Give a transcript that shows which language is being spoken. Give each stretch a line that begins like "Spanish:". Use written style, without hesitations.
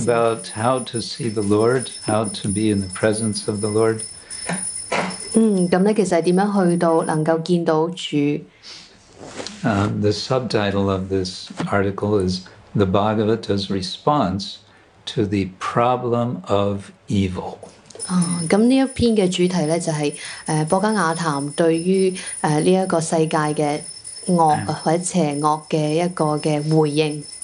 English: It's about how to see the Lord, how to be in the presence of the Lord.
Cantonese: 咁咧，其實係點樣去到能夠見到主
English: ？The subtitle of this article is "The Bhagavata's Response to the Problem of Evil."
Cantonese: 咁呢一篇嘅主題咧就係《博伽瓦談》對於呢一個世界嘅惡或者邪惡嘅一個嘅回應。